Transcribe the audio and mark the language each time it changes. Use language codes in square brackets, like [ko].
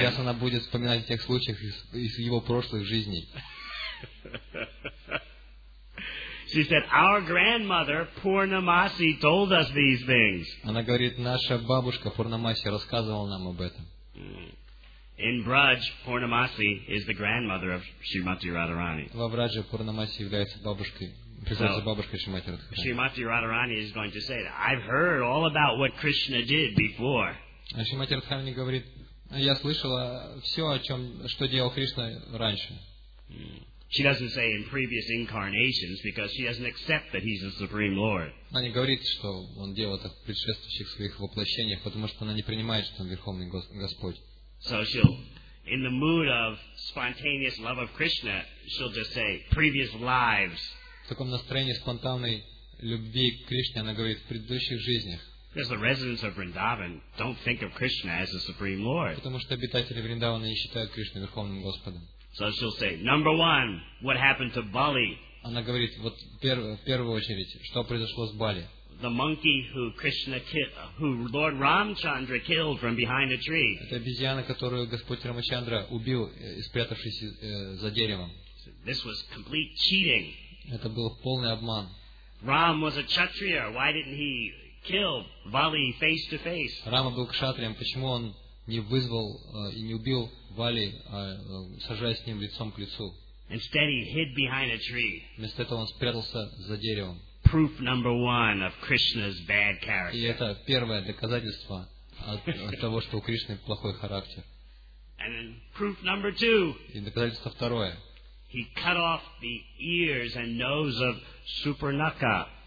[ru] Сейчас она будет вспоминать о тех случаях из его прошлых жизней. [en] She said, "Our grandmother Purnamasi told us these things." [ru] Она говорит, наша бабушка Пурнамаси рассказывала нам об этом. [en] In Braj, Purnamasi is the grandmother of Srimati Radharani. [ru] Во Враже Пурнамаси является бабушкой. Приходится бабушка Шримати [en] Радхарани. Шримати Радхарани is going to say, "I've heard all about what Krishna did before." [ru] А Шримати Радхарани говорит, я слышала все о чем, что делал Кришна раньше. [en] She doesn't say in previous incarnations because she doesn't accept that he's the Supreme Lord. [ru] Она не говорит, что он делал это в предшествующих своих воплощениях, потому что она не принимает, что он верховный Господь. [en] So she'll, in the mood of spontaneous love of Krishna, she'll just say previous lives. [ru] В таком настроении спонтанной любви к Кришне она говорит в предыдущих жизнях. [en] Because the residents of Vrindavan don't think of Krishna as the Supreme Lord. [ru] Потому что обитатели Вриндавана не считают Кришну верховным Господом. [en] So she'll say, number one, what happened to Bali? [ru] Она говорит, вот в первую очередь, что произошло с Бали? [en] The monkey who Krishna killed, who Lord Ramchandra killed from behind a tree. [ru] Это обезьяна, которую Господь Рамачандра убил, спрятавшись за деревом. [en] This was complete cheating. [ru] Это был полный обман. [en] Ram was a kshatriya. Why didn't he kill Vali face to face? [ru] Рама был кшатрием. Почему он не вызвал и не убил Вали, сражаясь с ним лицом к лицу? [en] Instead, he hid behind a tree. [ru] Вместо этого он спрятался за деревом. [en] Proof number one of Krishna's bad character. [ru] И это первое доказательство от того, что у Кришны плохой характер. [en] And then proof number two. [ru] И доказательство второе. [en] He cut off the ears and nose of Supranaka.